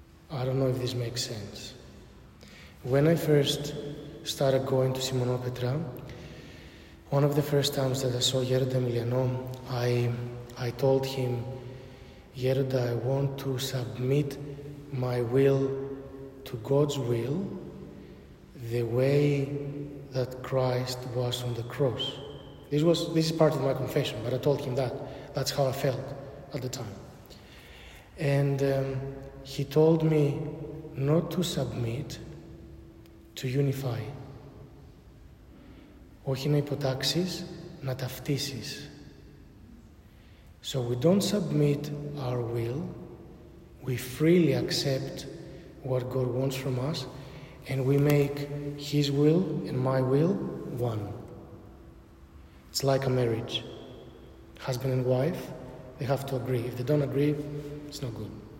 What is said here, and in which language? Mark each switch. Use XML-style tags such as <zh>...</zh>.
<en>I don't know if this makes sense. When I first started going to Simonopetra, one of the first times that I saw Yeruda Milianon, I told him, Yeruda, I want to submit my will to God's will the way that Christ was on the cross. This is part of my confession, but I told him that. That's how I felt at the time. And he told me not to submit, to unify.</en> <el>Όχι να υποτάξεις, να ταυτίσεις.</el> <en>So we don't submit our will. We freely accept what God wants from us, and we make His will and my will one. It's like a marriage. Husband and wife, they have to agree. If they don't agree, it's not good.</en>